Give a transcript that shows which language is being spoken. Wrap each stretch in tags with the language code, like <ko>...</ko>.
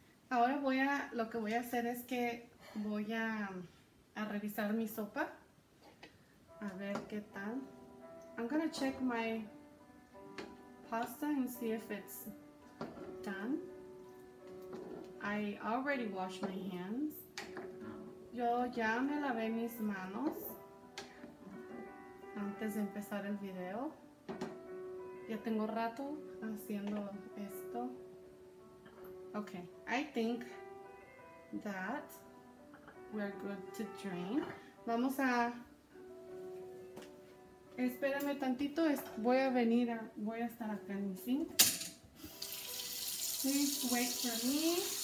<es>Ahora lo que voy a hacer es que voy a revisar mi sopa. A ver qué tal.</es> <en>I'm gonna check my pasta and see if it's done. I already washed my hands.</en> <es>Yo ya me lavé mis manos antes de empezar el video. Ya tengo rato haciendo esto.</es> <en>Okay, I think that we're good to drain.</en> <es>Vamos a... Espérame tantito, voy a venir a... Voy a estar acá en mi sink.</es> <en>Please wait for me.</en>